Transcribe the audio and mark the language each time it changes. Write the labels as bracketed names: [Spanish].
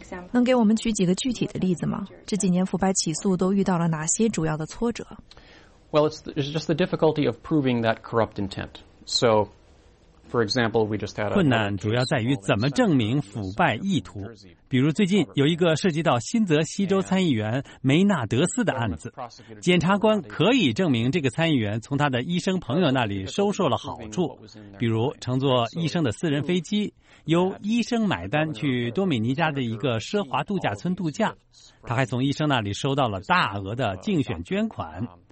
[Chinese] 能给我们举几个具体的例子吗？这几年腐败起诉都遇到了哪些主要的挫折？ [English] Well, it's just the difficulty of proving that corrupt intent. So, [Chinese] 困难主要在于怎么证明腐败意图。比如最近有一个涉及到新泽西州参议员梅纳德斯的案子，检察官可以证明这个参议员从他的医生朋友那里收受了好处，比如乘坐医生的私人飞机，由医生买单去多米尼加的一个奢华度假村度假，他还从医生那里收到了大额的竞选捐款。